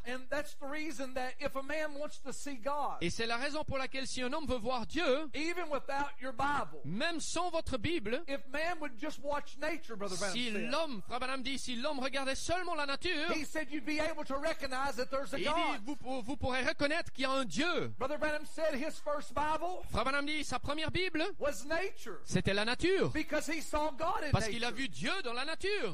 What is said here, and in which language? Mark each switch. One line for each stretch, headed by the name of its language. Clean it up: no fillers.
English: And that's the reason that if a man wants to see God,
French: et c'est la raison pour laquelle si un homme veut voir Dieu,
English: even without your Bible,
French: même sans votre Bible,
English: if man would just watch nature, Brother Branham,
French: si l'homme, Frère Branham dit, si l'homme regardait seulement la nature,
English: he said you'd be able to recognize that there's a God.
French: Il dit, vous pourrez reconnaître qu'il y a un Dieu.
English: Brother Branham said his first Bible,
French: Frère Branham dit, sa première Bible,
English: was nature,
French: c'était la nature,
English: because he saw God in,
French: parce qu'il a vu Dieu dans la nature.